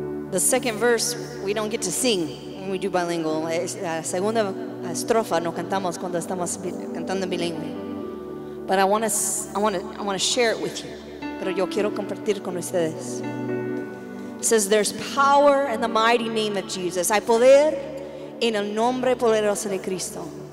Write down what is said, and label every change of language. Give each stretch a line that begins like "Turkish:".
English: The second verse, we don't get to sing when we do bilingual.
Spanish: La segunda estrofa no cantamos cuando estamos cantando bilingüe.
English: But I want to share it with you.
Spanish: Pero yo quiero compartir con ustedes.
English: It says there's power in the mighty name of Jesus.
Spanish: Hay poder en el nombre poderoso de Cristo.